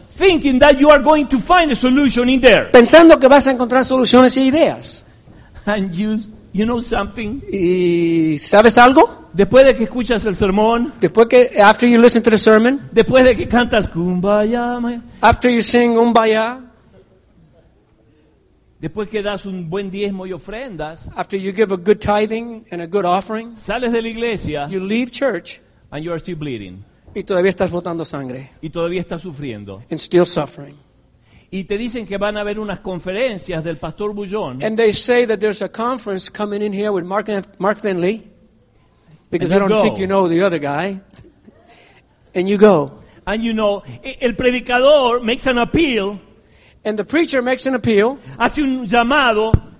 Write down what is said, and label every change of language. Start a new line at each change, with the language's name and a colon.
English: Thinking that you are going to find a solution in there.
Spanish: Pensando que vas a encontrar soluciones e ideas.
English: And you know something?
Spanish: ¿Y sabes algo? Después de que escuchas el sermón, después que
English: after you listen to the sermon,
Spanish: después de que cantas Kumbaya,
English: after you sing Kumbaya,
Spanish: después que das un buen diezmo y ofrendas,
English: after you give a good tithing and a good offering,
Spanish: sales de la iglesia,
English: you leave church, and you are still bleeding.
Spanish: Y todavía estás botando sangre. Y todavía estás sufriendo.
English: And still suffering.
Spanish: Y te dicen que van a haber unas conferencias del Pastor Bullón.
English: And they say that there's a conference coming in here with Mark Finley. Because and I don't go. Think you know the other guy. And you go. And you know,
Spanish: el predicador
English: makes an appeal. And the preacher makes an appeal.
Spanish: Hace un llamado.